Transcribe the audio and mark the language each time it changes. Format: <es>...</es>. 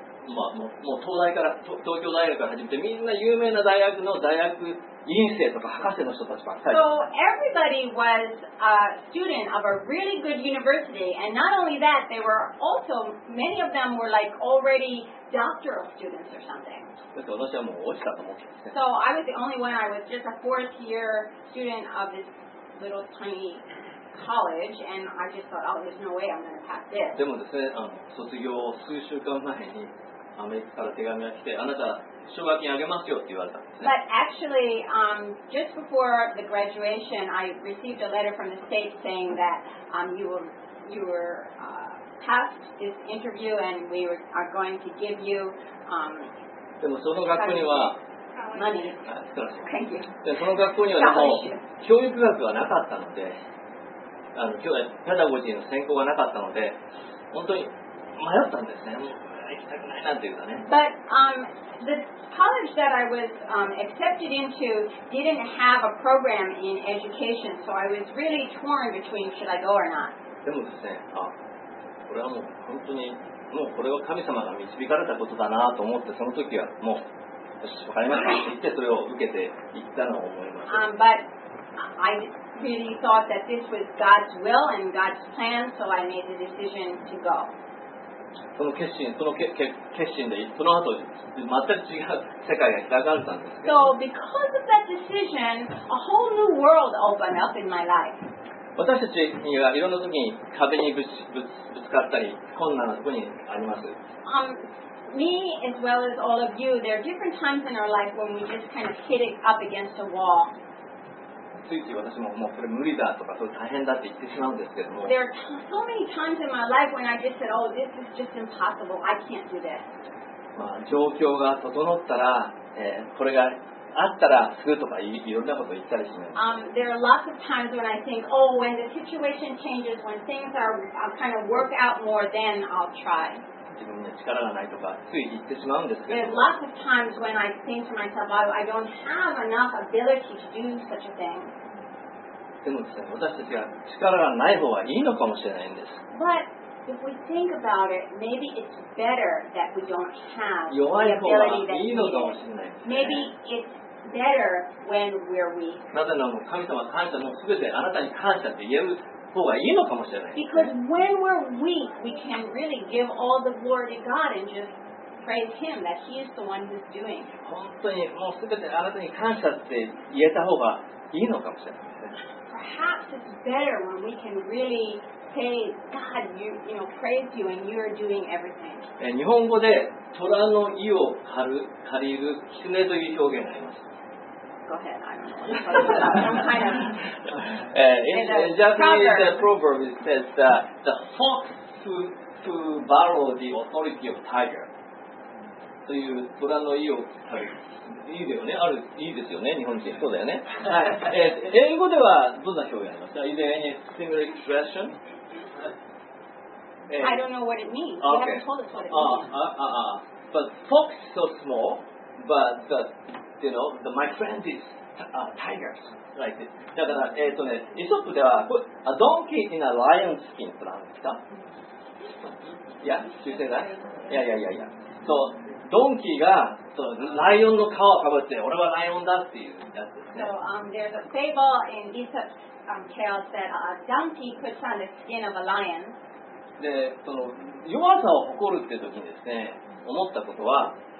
<ja>もう東大から東京大学から始めてみんな有名な大学院生とか博士の人たちばっかり。</ja> <en>So everybody was a student of a really good university, and not only that, they were also many of them were like already doctoral students or something.</en> <ja>で、私はもう落ちたと思って。</ja> <en>So I was the only one. I was just a fourth year student of this little tiny college, and I just thought, oh, there's no way I'm going to pass this.</en> <ja>でもですね、卒業数週間前に。アメリカから手紙が来て、あなた奨学金あげますよって言われたんですね。</ja> <en>But actually, just before the graduation, I received a letter from the state saying that you were passed this interview and we are going to give you</en> <ja>でもその学校には</ja> <en>money. Thank you.</en> <ja>でその学校にはもう教育学はなかったので、今日はペダゴジーの専攻がなかったので、本当に迷ったんですね。</ja> <en>But the college that I was accepted into didn't have a program in education, so I was really torn between should I go or not.</en> <ja>でもですね、これはもう本当にもうこれは神様が導かれたことだなと思ってその時はもうよし分かりましたって言ってそれを受けていったのを思います。</ja> <en>But I really thought that this was God's will and God's plan, so I made the decision to go.</en> <ja>その決心、その決心で、その後、全く違う世界が開かれたんですけど。</ja> <en>So, because of that decision, a whole new world opened up in my life.</en> <ja>私たちにはいろんな時に壁にぶつかったり、困難なところにあります。</ja> <en>Me as well as all of you, there are different times in our life when we just kind of hit it up against a wall. There are so many times in my life when I just said, oh, this is just impossible. I can't do this.</en> <ja>状況が整ったら、これがあったらすぐとかいろんなこと言ったりします。</ja> <en>There are lots of times when I think, oh, when the situation changes, when things are kind of work out more, then I'll try.</en> <ja>自分に力がないとかつい言ってしまうんですけど。</ja> <en>There's lots of times when I think to myself, oh, I don't have enough ability to do such a thing.</en> <ja>でもですね、私たちが力がない方がいいのかもしれないんです。</ja> <en>But if we think about it, maybe it's better that we don't have the ability that we need.</en> <ja>弱い方がいいのかもしれない。</ja> <en>Maybe it's better when we're weak.</en> <ja>なぜなら神様感謝のすべてあなたに感謝って言える。</ja> <en>Because when we're weak, we can really give all the glory to God and just praise Him that He is the one who's doing.</en> <ja>本当にもうすべてあなたに感謝って言えた方がいいのかもしれない。</ja> <en>Perhaps it's better when we can really say, God, you know, praise you and you're doing everything.</en> <ja>日本語で虎の威を借りる狐という表現があります。</ja> <en>Go ahead. In Japanese, the proverb it says that the fox to borrow the authority of tiger. So you,</en> <ja>虎の威を借りる。いいだよね。ある、いいですよね。日本人。そうだよね。英語ではどんな表現ありますか?</ja> <en>Is there any similar expression? I don't know what it means. Okay. You haven't told us what it means. But fox so small, but the... You know, my friend is tigers, right?</en> <ja>だから、イソップでは、</ja> <en>a donkey in a lion's skin</en> <ja>となんですか?</ja> <en>Yeah, you say that? Yeah. So,</en> <ja>ドンキーがそのライオンの皮をかぶって俺はライオンだっていうやつですね。</ja> <en>So, there's a fable in Aesop's tales that a donkey puts on the skin of a lion.</en> <ja>で、その弱さを誇るっていう時にですね、思ったことは、</ja>